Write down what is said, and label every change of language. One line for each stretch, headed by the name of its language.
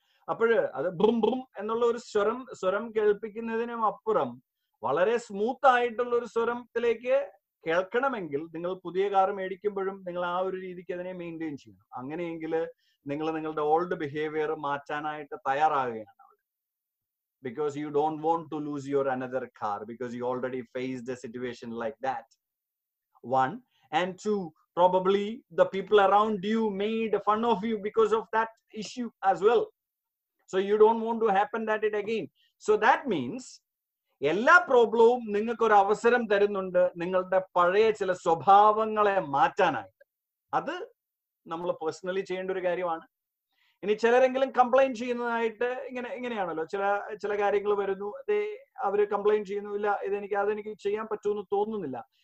Malayalam: അപ്പോഴ് അത് boom boom എന്നുള്ള ഒരു സ്വരം കേൾപ്പിക്കുന്നതിനും അപ്പുറം വളരെ സ്മൂത്ത് ആയിട്ടുള്ള ഒരു സ്വരത്തിലേക്ക് കേൾക്കണമെങ്കിൽ നിങ്ങൾ പുതിയ കാർ മേടിക്കുമ്പോഴും നിങ്ങൾ ആ ഒരു രീതിക്ക് അതിനെ മെയിൻറ്റെയിൻ ചെയ്യണം. അങ്ങനെയെങ്കിൽ നിങ്ങൾ നിങ്ങളുടെ ഓൾഡ് ബിഹേവിയർ മാറ്റാനായിട്ട് തയ്യാറാകുകയാണ്.
English: Because you don't want to lose your another car because you already faced a situation like that. One. And two, probably the people around you made fun of you because of that issue as well. So you don't want to happen that it again. So that means,
Malayalam: എല്ലാ പ്രോബ്ലവും നിങ്ങൾക്ക് ഒരു അവസരം തരുന്നുണ്ട് നിങ്ങളുടെ പഴയ ചില സ്വഭാവങ്ങളെ മാറ്റാനായിട്ട്. അത് നമ്മൾ പേഴ്സണലി ചെയ്യേണ്ട ഒരു കാര്യമാണ്. ഇനി ചിലരെങ്കിലും കംപ്ലൈൻറ് ചെയ്യുന്നതായിട്ട് ഇങ്ങനെ ഇങ്ങനെയാണല്ലോ, ചില ചില കാര്യങ്ങൾ വരുന്നു, അതേ അവർ കംപ്ലൈൻറ് ചെയ്യുന്നു, ഇല്ല ഇതെനിക്ക് അതെനിക്ക് ചെയ്യാൻ പറ്റുമെന്ന് തോന്നുന്നില്ല.